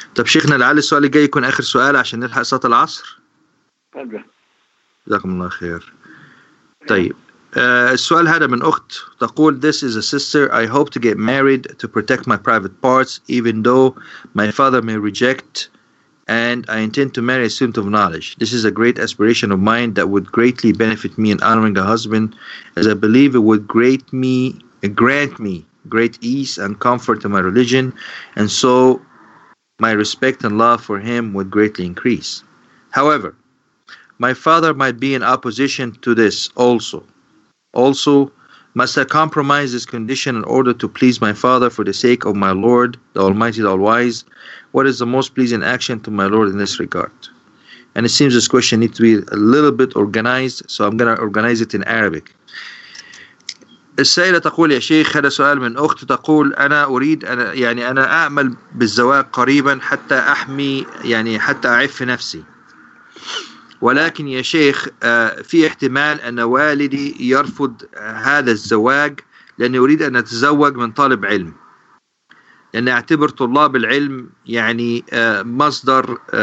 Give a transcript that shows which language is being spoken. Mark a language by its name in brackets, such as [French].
[Arabic] طب شيخنا العالي, السؤال الجاي يكون آخر سؤال عشان نلحق صلاة العصر. تفضل. جزاكم الله خير. طيب, السؤال هذا من أخت تقول [English] this is a sister I hope to get married to protect my private parts even though my father may reject and I intend to marry a student of knowledge. This is a great aspiration of mine that would greatly benefit me in honoring a husband as I believe it would grant me great ease and comfort in my religion and so my respect and love for him would greatly increase. However, my father might be in opposition to this also. Also, must I compromise this condition in order to please my father for the sake of my Lord, the Almighty, the All-Wise? What is the most pleasing action to my Lord in this regard? And it seems this question needs to be a little bit organized, so I'm going to organize it in Arabic. [Arabic] السائلة تقول يا شيخ هذا سؤال من أخت تقول أنا أريد أنا يعني أنا أعمل بالزواج قريبا حتى أحمي يعني حتى أعف نفسي ولكن يا شيخ في احتمال أن والدي يرفض هذا الزواج لأنه يريد أن أتزوج من طالب علم لأنه أعتبر طلاب العلم يعني مصدر